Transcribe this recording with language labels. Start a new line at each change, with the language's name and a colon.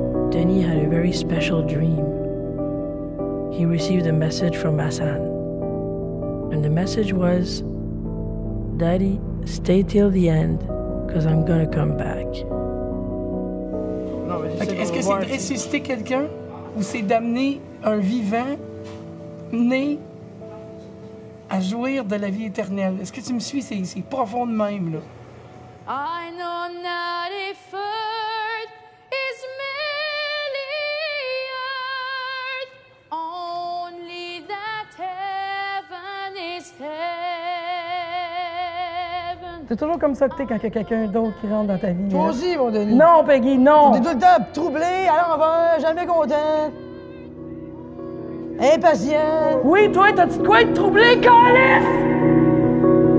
English: Denny had a very special dream. He received a message from Hassan. And the message was, Daddy, stay till the end, because I'm going to come back.
French: Est-ce que c'était quelqu'un ou c'est d'amener un vivant né à jouir de la vie éternelle? Est-ce que tu me suis? C'est profond de même, là.
English: I know not if earth is merely earth, only that heaven is heaven.
French: T'es toujours comme ça que t'es quand il y a quelqu'un d'autre qui rentre dans ta vie. Toi aussi, mon Denis. Non, Peggy, non. T'es tout le temps troublé, à l'envers, jamais content. Impatient. Oui, toi, t'as-tu de quoi être troublé, calice?